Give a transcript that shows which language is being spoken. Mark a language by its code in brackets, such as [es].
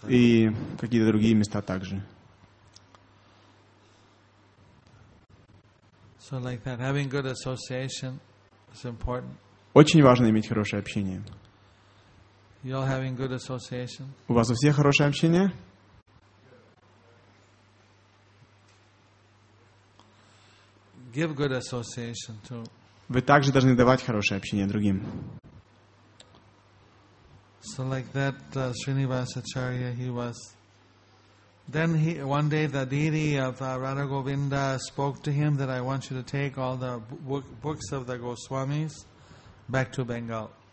[ru] и какие-то другие места также. [en] So like that, having good association is important. [ru] Очень важно иметь хорошее общение. [en] You all having good association? [ru] У вас у всех хорошее общение? [en] Give good association too. [ru] Вы также должны давать хорошее общение другим. [en] So like that, Srinivas Acharya, he was. Then he one day the deity of Radha Govinda spoke to him that I want you to take all the books of the Goswamis back to Bengal.